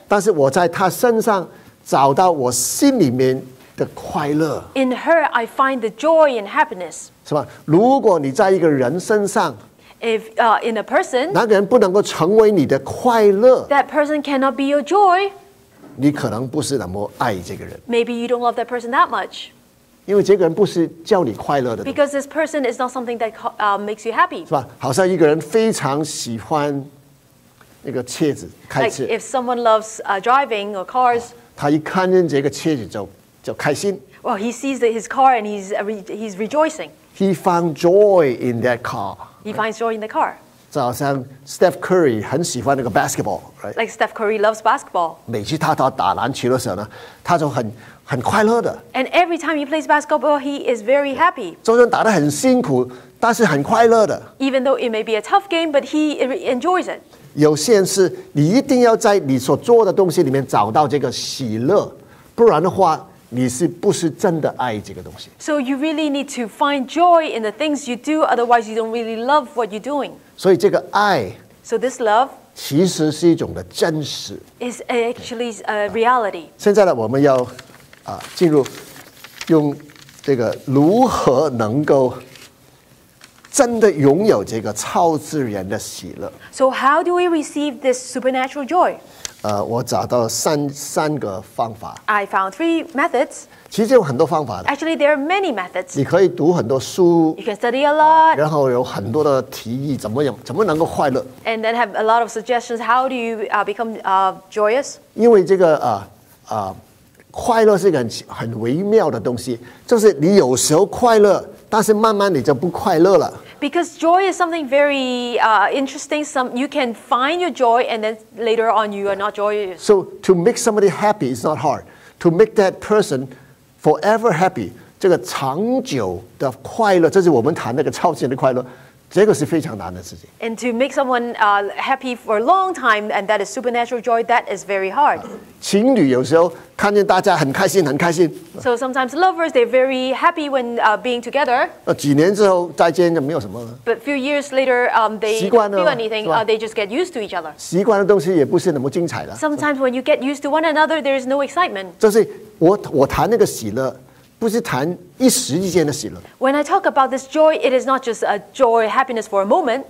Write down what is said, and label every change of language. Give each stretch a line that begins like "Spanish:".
Chinese: 但是我在她身上找到我心里面的快乐。
English: In her, I find the joy and happiness.
Chinese: 是吧？如果你在一个人身上。
English: If in a person,
Chinese: 那个人不能够成为你的快乐
English: that person cannot be your joy,
Chinese: 你可能不是那么爱这个人
English: maybe you don't love that person that much. Because this person is not something that makes you happy.
Chinese: 是吧？好像一个人非常喜欢那个车子，开车。
English: Like if someone loves driving or cars.
Chinese: 他一看见这个车子就开心。
English: Well, he sees his car and he's rejoicing. He found joy in that car. He finds joy in the car.
Chinese: 就好像 Steph Curry 很喜欢那个 basketball, right?
English: Like Steph Curry loves basketball.
Chinese: 每次他打篮球的时候呢，他就很。很快乐的。
English: And every time he plays basketball, he is very happy.
Chinese: 就算打得很辛苦，但是很快乐的。
English: Even though it may be a tough game, but he enjoys it.
Chinese: 有些人是你一定要在你所做的东西里面找到这个喜乐，不然的话，你是不是真的爱这个东西。
English: So you really need to find joy in the things you do, otherwise you don't really love what you're doing.
Chinese: 所以这个爱。
English: So this love.
Chinese: 其实是一种的真实。
English: Is actually a reality.
Chinese: 现在呢，我们要。进入用这个如何能够真的拥有这个超自然的喜乐。
English: So how do we receive this supernatural joy?
Chinese: 我找到三个方法。
English: I found three methods.
Chinese: 其实有很多方法的。
English: Actually, there are many methods.
Chinese: 你可以读很多书。
English: You can study a lot.
Chinese: 然后有很多的提议怎么能够快乐。
English: And then have a lot of suggestions. How do you become joyous?
Chinese: 因为这个快乐是一个 很微妙的东西，就是你有时候快乐，但是慢慢你就不快乐了。
English: Because joy is something very interesting. Some you can find your joy, and then later on you are not joyous. So to make somebody happy is not hard. To make that person forever happy,
Chinese: 这个长久的快乐，这是我们谈那个超自然的快乐，这个是非常难的事情。
English: And to make someone happy for a long time, and that is supernatural joy, that is very hard.
Chinese: 情侣有时候看见大家很开心，很开心。
English: So sometimes lovers, they're very happy when being together.
Chinese: 几年之后再见就没有什么了。
English: But few years later, they don't feel anything, they just get used to each other.
Chinese: 习惯的东西也不是那么精彩了。
English: Sometimes when you get used to one another, there is no excitement.
Chinese: 就是我谈那个喜乐。不是谈一时之间的喜乐。
English: When I talk about this joy, it is not just a joy, happiness for a moment.